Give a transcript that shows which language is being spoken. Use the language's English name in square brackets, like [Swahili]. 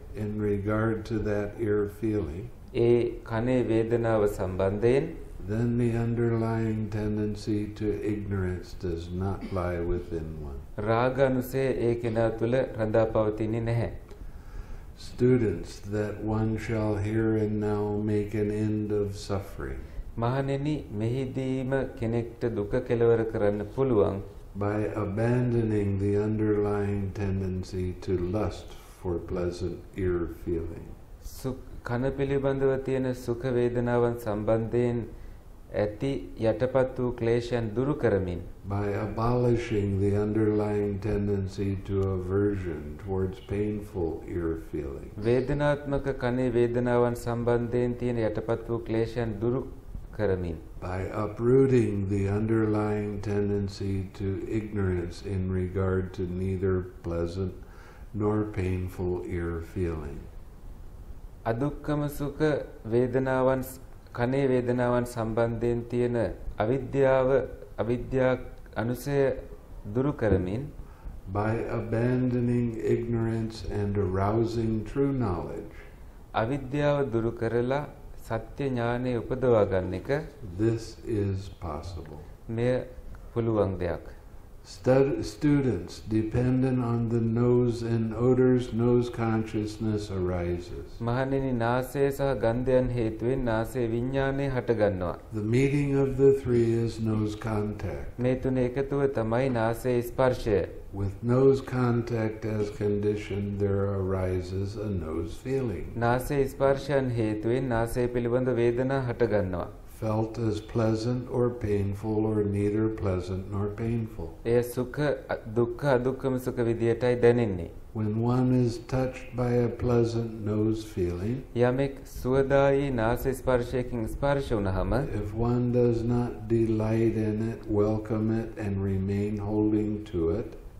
[English] In regard to that ear feeling. [Sinhala] ඒ කනේ වේදනාව සම්බන්ධයෙන්. [English] Then the underlying tendency to ignorance does not lie within one. [Sinhala] රාගනුසය ඒකිනා තුල රඳා පවතින්නේ නැහැ. [English] Students, that one shall here and now make an end of suffering. [Sinhala] මහණෙනි මෙහිදීම කෙනෙක්ට දුක කෙලවර කරන්න පුළුවන්. [English] By abandoning the underlying tendency to lust for pleasant ear feeling. [Sinhala] කන පිළිබඳව තියෙන සුඛ වේදනාවන් සම්බන්ධයෙන් ඇති යටපත් වූ ක්ලේශයන් දුරු කරමින්. [English] By abolishing the underlying tendency to aversion towards painful ear feelings. [Sinhala] වේදනාත්මක කනේ වේදනාවන් සම්බන්ධයෙන් තියෙන යටපත් වූ ක්ලේශයන් දුරු කරමින්. [English] By uprooting the underlying tendency to ignorance in regard to neither pleasant nor painful ear feelings. [Sinhala] අදුක්කම සුඛ වේදනාවන් කනේ වේදනාවන් සම්බන්ධයෙන් තියෙන අවිද්‍යාව අවිද්‍යා අනුසය දුරු කරමින්. [English] By abandoning ignorance and arousing true knowledge. [Sinhala] අවිද්‍යාව දුරු කරලා සත්‍ය ඥානය උපදවා ගන්න එක. [English] This is possible. [Sinhala] මෙය පුළුවන් දෙයක්. [English] Students, dependent on the nose and odors, nose consciousness arises. [Sinhala] මහණෙනි නාසය සහ ගන්ධයන් හේතුවෙන් නාසය විඥානය හටගන්නවා. [English] The meeting of the three is nose contact. [Sinhala] මේ තුන එකතුව තමයි නාසය ස්පර්ශය. [English] With nose contact as condition, there arises a nose feeling. [Sinhala] නාසය ස්පර්ශයන් හේතුවෙන් නාසය පිළිබඳ වේදනාවක් හටගන්නවා. [English] Felt as pleasant or painful or neither pleasant nor painful. [Sinhala] ඒ සුඛ දුක්ඛ අදුක්ඛම සුඛ විදියටයි දැනෙන්නේ. [English] When one is touched by a pleasant nose feeling. [Sinhala] යමෙක් සුවදායි නාසය ස්පර්ශයකින් ස්පර්ශ වුණහම. [English] If one does not delight in it, welcome it and remain holding to it.